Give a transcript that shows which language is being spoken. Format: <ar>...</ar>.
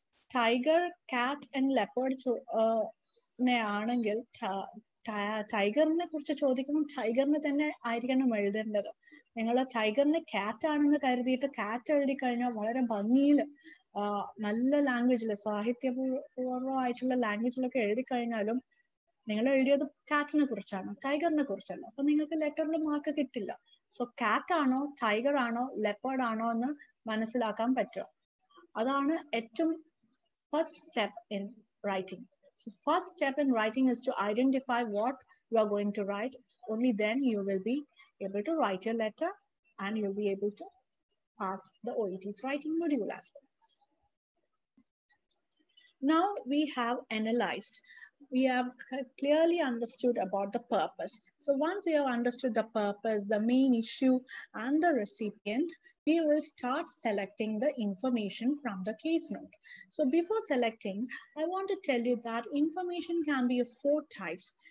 <ml>tiger cat and leopard ne aanengil tiger ne korcha chodikkanam tiger ne thanne aayirikkanam ezhudendathu ningal tiger ne cat aanennu karuthittu cat ezhudi kaniya valare bhangiyil നല്ല ലാംഗ്വേജില് സാഹിത്യപൂർവമായിട്ടുള്ള ലാംഗ്വേജിലൊക്കെ എഴുതി കഴിഞ്ഞാലും നിങ്ങൾ എഴുതിയത് കാറ്റിനെ കുറിച്ചാണ്, ടൈഗറിനെ കുറിച്ചല്ല. അപ്പൊ നിങ്ങൾക്ക് ലെറ്ററിൽ മാർക്ക് കിട്ടില്ല. സോ കാറ്റ് ആണോ ടൈഗർ ആണോ ലെപ്പേർഡ് ആണോ എന്ന് മനസ്സിലാക്കാൻ പറ്റുക, അതാണ് ഏറ്റവും</ml> <en>First step in writing. So first step in writing is to identify what you are going to write. Only then you will be able to write your letter and you will be able to pass the OET's writing module as well. Now we have analyzed, we have clearly understood about the purpose. So once you have understood the purpose, the main issue and the recipient, we will start selecting the information from the case note. So before selecting, I want to tell you that information can be of four types.</en>